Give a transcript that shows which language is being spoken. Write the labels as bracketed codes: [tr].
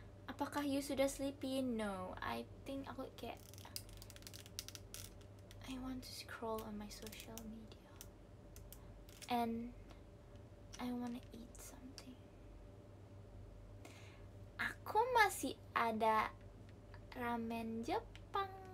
[id] Apakah you sudah sleepy? [en] No, I think [id] aku kayak [en] I want to scroll on my social media and I want to eat something. [id] Aku masih ada ramen Jepang.